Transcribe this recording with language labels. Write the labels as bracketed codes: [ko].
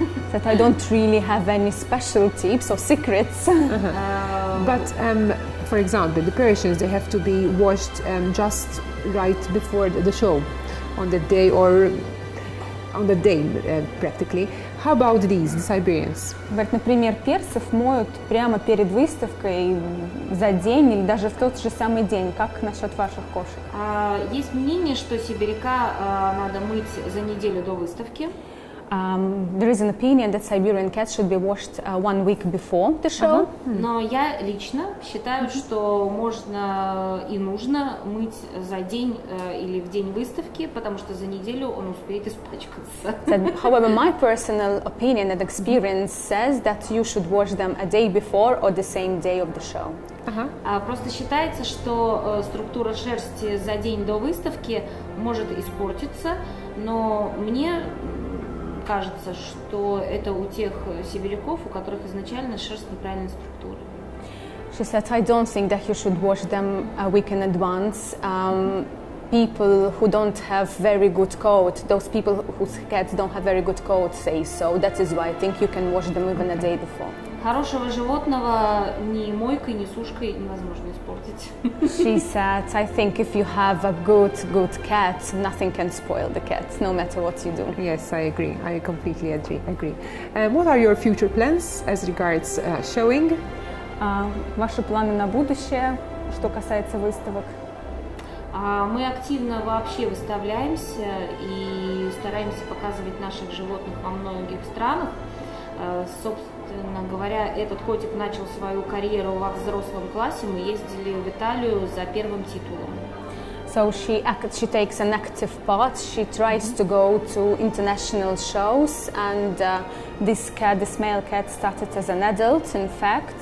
[en] That I don't really have any special tips or secrets. But for example, the Persians, they have to be washed just right before the show, on the day or on the day practically. How about these, the Siberians? [ru] Говорят, например, персов моют прямо перед выставкой за день или даже в тот же самый день. Как насчет ваших кошек? Есть мнение, что сибиряка надо мыть за неделю до выставки. [en] There is an opinion that Siberian cats should be washed one week before the show. Uh-huh. [ru] Но я лично считаю, uh-huh. что можно и нужно мыть за день или в день выставки, потому что за неделю он успеет испачкаться. [en] That, however, my personal opinion and experience uh-huh. says that you should wash them a day before or the same day of the show. [ru] Просто считается, что структура шерсти за день до выставки может испортиться, но мне кажется, что это у тех сибиряков, у которых изначально шерсть неправильной структуры. [en] She said, I don't think that you should wash them a week in advance. People who don't have very good coat, those people whose cats don't have very good coat say so. That is why I think you can wash them even a day before. [ru] Хорошего животного ни мойкой, ни сушкой невозможно испортить. [en] She said, I think if you have a good cat, nothing can spoil the cat, no matter what you do. Yes, I agree. I completely agree. What are your future plans as regards showing? [ru] Ваши планы на будущее, что касается выставок? Мы активно вообще выставляемся и стараемся показывать наших животных во многих странах. Собственно говоря, этот котик начал свою карьеру во взрослом классе. Мы ездили в Италию за первым титулом. [en] So she takes an active part. She tries mm-hmm. to go to international shows, and this male cat started as an adult, in fact.